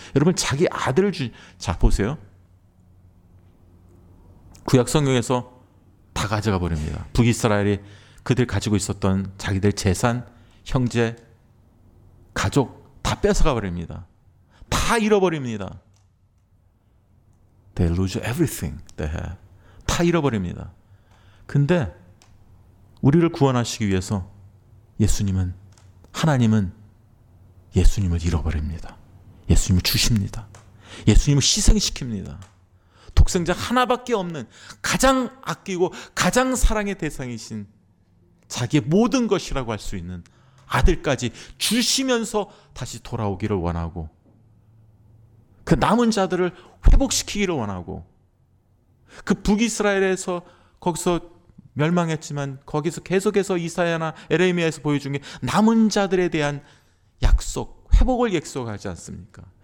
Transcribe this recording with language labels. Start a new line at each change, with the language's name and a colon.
Korean: 여러분 자기 아들을 자 보세요. 구약 성경에서 다 가져가 버립니다. 북이스라엘이 그들 가지고 있었던 자기들 재산, 형제, 가족 다 뺏어가 버립니다. 다 잃어버립니다.
English: They lose everything they have.
Korean: 다 잃어버립니다. 근데 우리를 구원하시기 위해서 예수님은, 하나님은 예수님을 잃어버립니다. 예수님을 주십니다. 예수님을 희생시킵니다. 독생자 하나밖에 없는 가장 아끼고 가장 사랑의 대상이신 자기의 모든 것이라고 할 수 있는 아들까지 주시면서 다시 돌아오기를 원하고 그 남은 자들을 회복시키기를 원하고 그 북이스라엘에서 거기서 멸망했지만 거기서 계속해서 이사야나 에레미야에서 보여준 게 남은 자들에 대한 약속, 회복을 약속하지 않습니까?